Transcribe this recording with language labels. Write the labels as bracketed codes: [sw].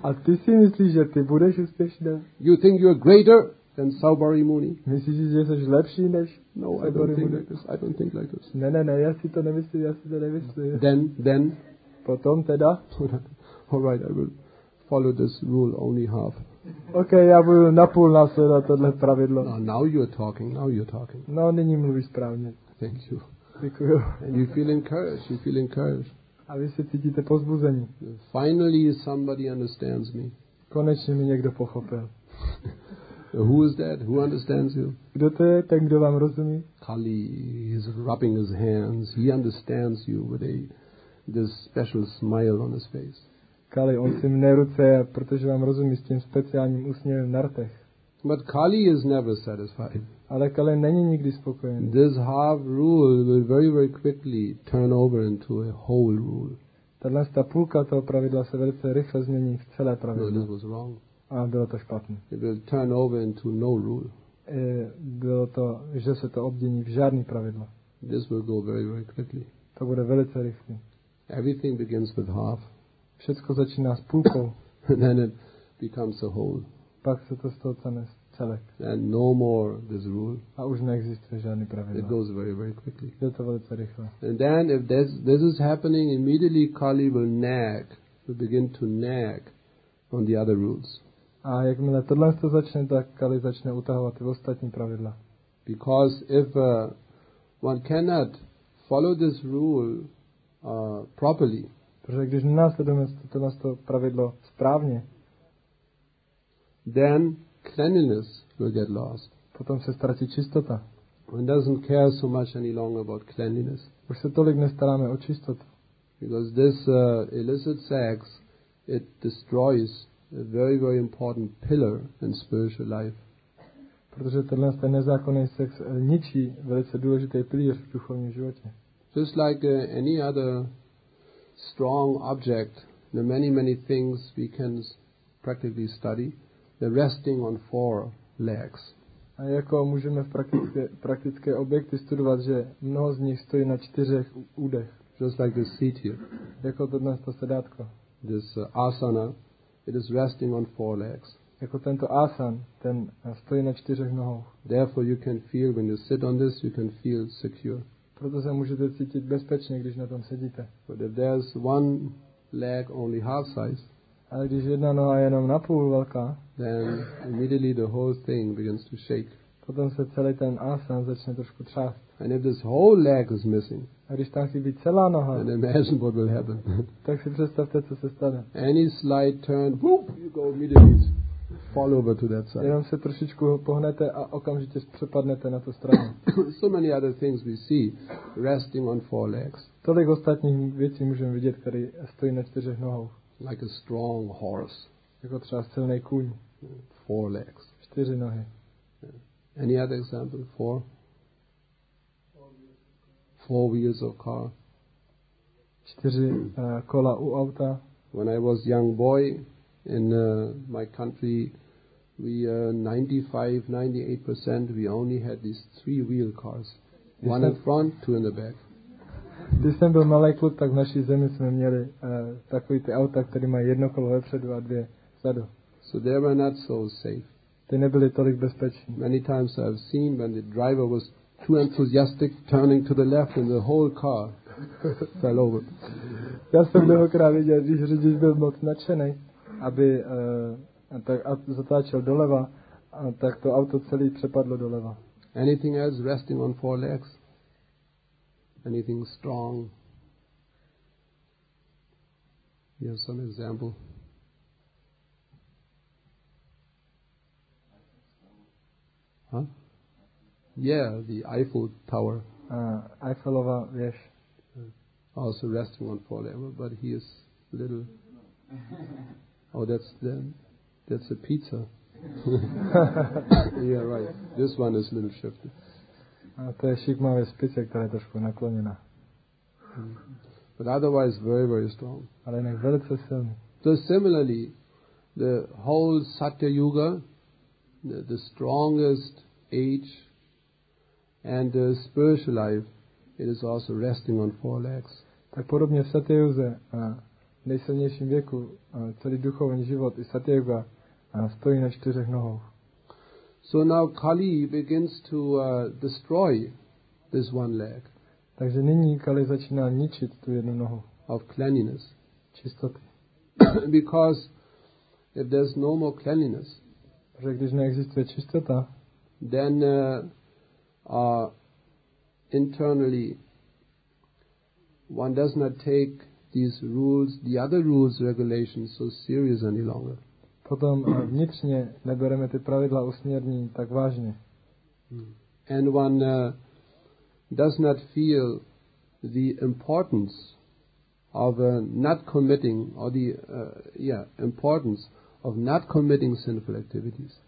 [cs] A ty si myslíš, že ty budeš úspěšný? [en] You think you are greater than Saubari Muni? [cs] Myslíš, že jsi lepší než? [en] No, I don't think like this. I don't think like this. [cs] Ne, já si to nemyslím, [en] Then? [cs] Potom teda? [en] All right, I will follow this rule only half. [cs] Okay, já budu napůl následovat tohle pravidlo. [en] Now you're talking. [cs] No, nyní mluvíš správně. [en] Thank you. [cs] Děkuju. [en] And you feel encouraged. [cs] A vy se cítíte pozbuzení. [en] Finally somebody understands me. [cs] Konečně mi někdo pochopil. [en] Who is that? Who understands you? [cs] Kdo to je, ten, kdo vám rozumí? [en] Kali, he's rubbing his hands. He understands you with this special smile on his face. [cs] Kali, on si mne ruce, protože vám rozumí s tím speciálním úsměvem na rtech. [en] But Kali is never satisfied. [cs] Ale Kali není nikdy spokojený. [en] This half rule will very, very quickly turn over into a whole rule. [cs] Tato ta půlka toho pravidla se velice rychle změní v celé pravidlo. [en] No, this was wrong. [cs] A bylo to špatné. [en] It will turn over into no rule. [cs] Bylo to, že se to obmění v žádný pravidlo. [en] This will go very, very quickly. [cs] To bude velice rychle. [en] Everything begins with half. [cs] Všechno začíná s půlkou. [en] Then it becomes a whole. [cs] Pak se to stane celek. [en] And no more this rule. [cs] A už neexistuje žádný pravidlo. [en] It goes very, very quickly. [cs] Jde to velice rychle. [en] And then if this is happening, immediately Kali will begin to nag on the other rules. [cs] A jakmile tohle to začne, tak Kali začne utahovat i ostatní pravidla. [en] Because if one cannot follow this rule properly, [cs] protože když nenásledujeme to pravidlo správně, [en] then cleanliness will get lost. [cs] Potom se ztratí čistota. [en] One doesn't care so much any longer about cleanliness. [cs] Už se tolik nestaráme o čistotu. [en] Because this illicit sex, it destroys a very, very important pillar in spiritual life. [cs] Protože tenhle nezákonný sex ničí velice důležitý pilíř v duchovním životě. [en] Just like any other strong object, the many, many things we can practically study, they're resting on four legs. [cs] A jako můžeme v praktické objekty studovat, že mnoho z nich stojí na čtyřech údech. [en] Just like this seat here. [cs] Jako to dnes to sedátko. [en] This asana, it is resting on four legs. [cs] Jako tento asan, ten stojí na čtyřech nohou. [en] Therefore you can feel, when you sit on this, you can feel secure. [cs] Proto se můžete cítit bezpečně, když na tom sedíte. [en] But if there's one leg only half size, [cs] ale když jedna noha je jenom napůl velká, [en] then immediately the whole thing begins to shake. [cs] Potom se celý ten asan začne trošku třást. [en] And if this whole leg is missing, [cs] a když tam chybí celá noha, [en] then imagine what will happen. [cs] Tak si představte, co se stane. [en] Any slight turn, whoop, you go immediately fall over to that side. [cs] Jenom se trošičku pohnete a okamžitě přepadnete na tu stranu. [en] So many other things we see resting on four legs. [cs] Tolik ostatních věcí můžeme vidět, které stojí na čtyřech nohou. [en] Like a strong horse. [cs] Jako třeba silný kůň. [en] Four legs. [cs] Čtyři nohy. [en] Any other example? Four wheels of car. [cs] Čtyři kola u auta. [en] When I was young boy in my country, we 95-98% we only had these three wheel cars. One in front, two in the back. [cs] Když jsem byl malý kluk, tak v naší zemi jsme měli takový ty auta, které mají jedno kolo vepředu a dvě vzadu. [en] So they were not so safe. [cs] Ty nebyly tolik bezpečné. [en] Many times I've seen when the driver was too enthusiastic turning to the left and the whole car fell over. [cs] Já jsem mnohokrát viděl, když řidič byl moc nadšený, aby zatáčel doleva, a tak to auto celý přepadlo doleva. [en] Anything else resting on four legs? Anything strong? You have some example? Huh? Yeah, the Eiffel Tower. [cs] Eiffelova věž. [en] Also resting on four legs, but he is little. Oh, that's a pizza. Yeah, right. This one is a little shifted. [cs] A to je šikmá věc pice, která je trošku nakloněná. [en] But otherwise very, very strong. [cs] Ale jinak velice silný. [en] So similarly, the whole Satya Yuga, the strongest age and the spiritual life, it is also resting on four legs. [cs] Tak podobně v Satya Yuze, nejsilnějším věku, celý duchovní život i Satya Yuga stojí na čtyřech nohou. [en] So now Kali begins to destroy this one leg. [cs] Takže nyní Kali začíná ničit tu jednu nohu. [en] Of cleanliness. [cs] Čistoty. [en] Because if there's no more cleanliness, [cs] protože když neexistuje čistota, [en] then internally one does not take these rules, the other rules, regulations so serious any longer. [cs] Potom vnitřně nebereme ty pravidla usměrnění tak vážně. [en] And one does not feel the importance of not committing or the importance of not committing sinful activities.